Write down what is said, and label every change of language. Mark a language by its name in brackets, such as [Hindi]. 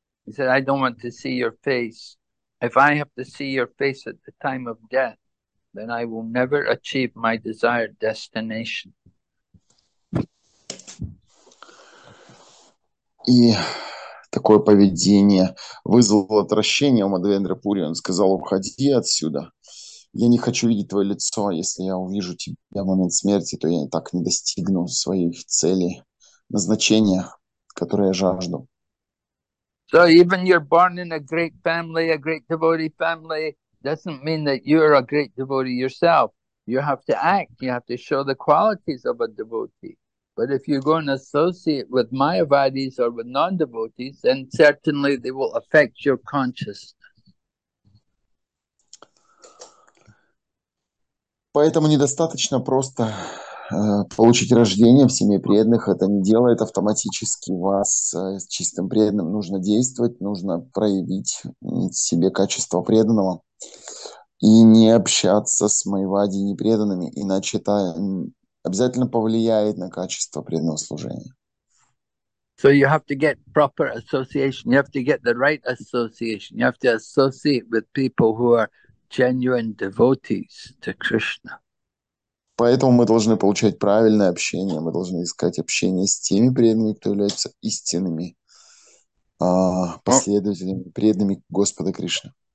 [English] He said, "I don't want to see your face. If I have to see your face at the time of death, then I will never achieve my desired destination." [Russian] И такое поведение вызвало отвращение у Мадхавендра Пури. Он сказал, уходи отсюда. Я не хочу видеть твое лицо, если я увижу тебя в момент смерти, то я так не достигну своих целей, назначения, которые я жажду. [English] So even you're born in a great family, a great devotee family, doesn't mean that you're a great devotee yourself. You have to act, you have to show the qualities of a devotee. But if you go and associate with Mayavadis or with non-devotees, then certainly they will affect your consciousness. [Russian] Поэтому недостаточно просто получить рождение в семье преданных. Это не делает автоматически вас чистым преданным. Нужно действовать, нужно проявить в себе качество преданного и не общаться с майвади непреданными, иначе это обязательно повлияет на качество преданного служения. [English] So you have to get proper association. You have to get the right association. You have to associate with people who are genuine devotees to Krishna. [Russian] Поэтому мы должны получать правильное общение. Мы должны искать общение с теми преданными, кто являются истинными последователями, преданными Господа Кришны.